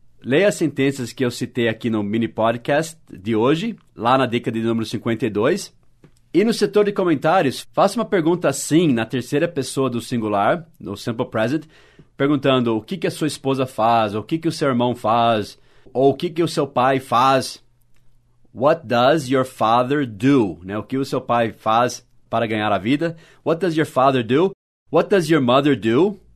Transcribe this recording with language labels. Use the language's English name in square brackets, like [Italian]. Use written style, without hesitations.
[Portuguese] Leia as sentenças que eu citei aqui no mini podcast de hoje, lá na dica de número 52. E no setor de comentários, faça uma pergunta assim, na terceira pessoa do singular, no simple present, perguntando o que, que a sua esposa faz, ou o que, que o seu irmão faz, ou o que, que o seu pai faz. [English] What does your father do? [Portuguese] Né? O que o seu pai faz para ganhar a vida? [English] What does your father do? What does your mother do?